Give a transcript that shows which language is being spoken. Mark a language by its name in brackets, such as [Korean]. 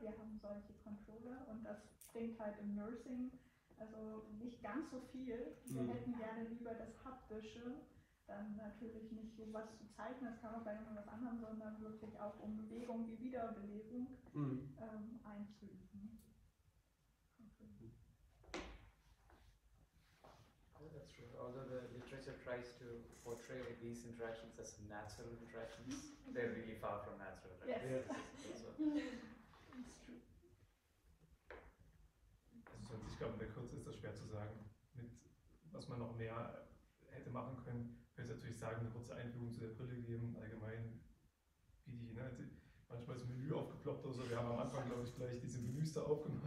[German] Wir haben solche Controller und das bringt halt im Nursing also nicht ganz so viel. Wir hätten gerne lieber das Haptische. Dann natürlich nicht so was zu zeichnen, das kann man bei irgendwas anderem, sondern wirklich auch um Bewegung wie Wiederbelebung einzuüben. [English] That's true. Although the literature tries to portray these interactions as natural interactions, they're really far from natural. Right? Yes. Yeah. That's true. [German] Also, ich glaube, in der Kürze ist das schwer zu sagen. Mit was man noch mehr hätte machen können, könnte ich natürlich sagen, eine kurze Einführung zu der Brille geben, allgemein, wie die Inhalte. Manchmal ist ein Menü aufgeploppt oder so. Wir haben am Anfang, glaube ich, gleich diese Menüs da aufgemacht.